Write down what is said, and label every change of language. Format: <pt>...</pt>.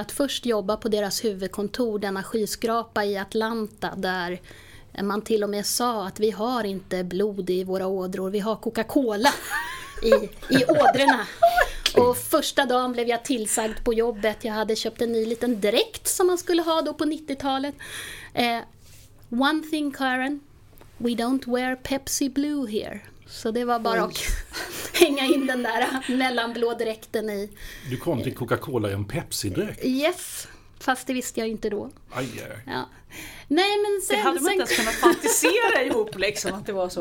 <sv>Att först jobba på deras huvudkontor, denna skyskrapa i Atlanta, där man till och med sa att vi har inte blod i våra ådror, vi har Coca-Cola i ådrorna. Och första dagen blev jag tillsagd på jobbet. Jag hade köpt en ny liten dräkt som man skulle ha då på 90-talet.</sv> <en>One thing, Karen, we don't wear Pepsi Blue here.</en> <sv>Så det var bara att hänga in den där mellanblå dräkten i. Du kom till Coca-Cola i en Pepsi-dräkt? Yes, fast det visste jag inte då. Aj, ja. Nej, men sen, det hade man inte kunnat fantisera ihop liksom, att det var så.</sv>